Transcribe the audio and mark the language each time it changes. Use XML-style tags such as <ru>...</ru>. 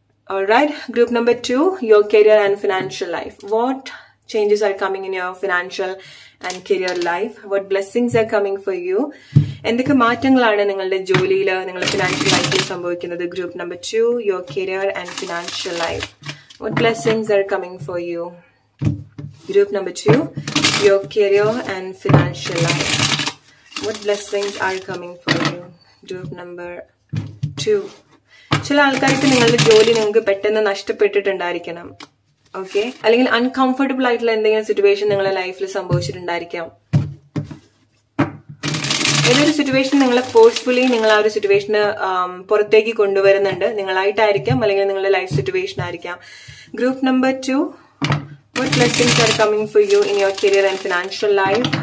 <en>Alright, group number two, your career and financial life. What changes are coming in your financial and career life? What blessings are coming for you?</en> <ml>എന്തൊക്കെ മാറ്റങ്ങളാണ് നിങ്ങളുടെ ജോലിയിൽ, നിങ്ങളുടെ financial ലൈഫിൽ സംഭവിക്കുന്നത്?</ml> <en>Group number two, your career and financial life. What blessings are coming for you? Group number two, your career and financial life. What blessings are coming for you? Group number 2.</en> <ml>ചില ആൾക്കാർക്ക് നിങ്ങളുടെ ജോലി നിങ്ങൾക്ക് പെട്ടെന്ന് നഷ്ടപ്പെട്ടിട്ടുണ്ടായിരിക്കണം. Okay, അല്ലെങ്കിൽ uncomfortable ആയിട്ടുള്ള എന്തെങ്കിലും situation നിങ്ങളുടെ ലൈഫിൽ സംഭവിച്ചിട്ടുണ്ടായിരിക്കാം. ഏതൊരു സിറ്റുവേഷൻ നിങ്ങളെ ഫോഴ്സ്ഫുള്ളി നിങ്ങൾ ആ ഒരു സിറ്റുവേഷന് പുറത്തേക്ക് കൊണ്ടുവരുന്നുണ്ട്, നിങ്ങളായിട്ടായിരിക്കാം അല്ലെങ്കിൽ നിങ്ങളുടെ ലൈഫ് സിറ്റുവേഷൻ ആയിരിക്കാം.</ml> <en>Group number 2, what blessings are coming for you in your career and financial life?</en>